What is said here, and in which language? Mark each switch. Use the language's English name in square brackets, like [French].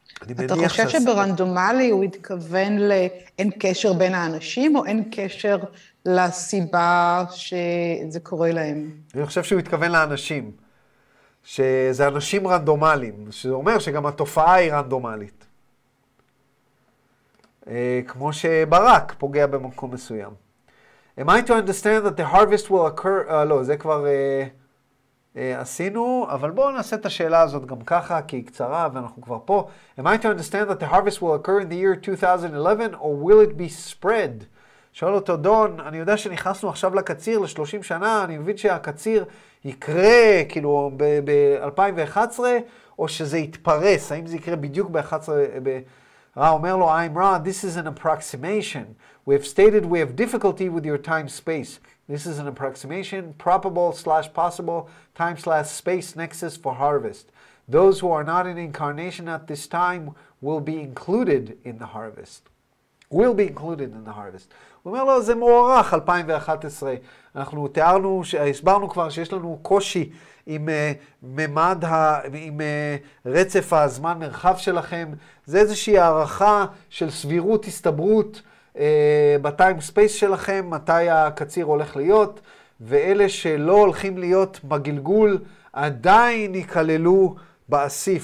[Hebrew] אתה חושב שברנדומלי הוא התכוון לאין קשר בין האנשים, או אין קשר לסיבה שזה קורה להם? אני חושב שהוא התכוון לאנשים, שזה אנשים רנדומליים, שזה אומר שגם התופעה היא רנדומלית. כמו שברק פוגע במקום מסוים. [English] Am I to understand that the harvest will occur? [Hebrew] לא, זה כבר עשינו, אבל בואו נעשה את השאלה הזאת גם ככה, כי היא קצרה ואנחנו כבר פה. [English] Am I to understand that the harvest will occur in the year 2011 or will it be spread? [Hebrew] שואל אותו דון, אני יודע שנכנסנו עכשיו לקציר ל-30 שנה, אני מבין שהקציר יקרה כאילו ב-2011, או שזה יתפרס, האם זה יקרה בדיוק ב-2011? [English] Ra [Hebrew] אומר לו, [English] I'm Ra, this is an approximation. We have stated we have difficulty with your time space. This is an approximation, probable slash possible, time slash space nexus for harvest. Those who are not in incarnation at this time will be included in the harvest. Will be included in the harvest. [Hebrew] הוא אומר לו, זה מוערך, 2011. אנחנו תיארנו, הסברנו כבר שיש לנו קושי עם ממד, עם רצף הזמן מרחב שלכם. זה איזושהי הערכה של סבירות, הסתברות, בטיים ספייס שלכם, מתי הקציר הולך להיות, ואלה שלא הולכים להיות בגלגול, עדיין יכללו באסיף.